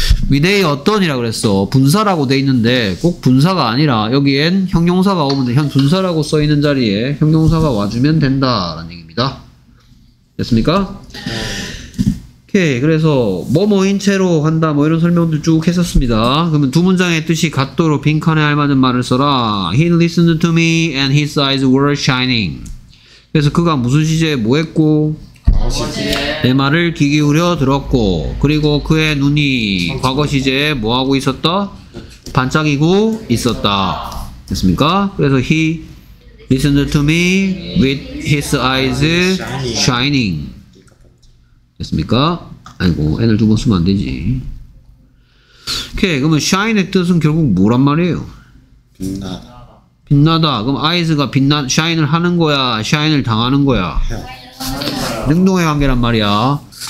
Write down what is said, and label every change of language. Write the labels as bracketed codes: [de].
[ko] 위대히 어떤이라 그랬어. 분사라고 돼 있는데 꼭 분사가 아니라 여기엔 형용사가 오면 돼. 현 분사라고 써 있는 자리에 형용사가 와주면 된다라는 얘기입니다. 됐습니까? 오케이. 그래서 뭐뭐인 채로 한다 뭐 이런 설명들 쭉 했었습니다. 그러면 두 문장의 뜻이 같도록 빈칸에 알맞은 말을 써라. [en] He listened to me and his eyes were shining. [ko] 그래서 그가 무슨 시제에 뭐 했고 내 말을 귀 기울여 들었고 그리고 그의 눈이 과거 시제에 뭐하고 있었다? 반짝이고 있었다. 됐습니까? 그래서 [en] he listened to me with his eyes shining. [ko] 됐습니까? 아이고 N을 두 번 쓰면 안 되지. 오케이. 그러면 shine의 뜻은 결국 뭐란 말이에요? 빛나다. 그럼 eyes가 shine을 하는 거야? shine을 당하는 거야? 능동의 관계란 말이야.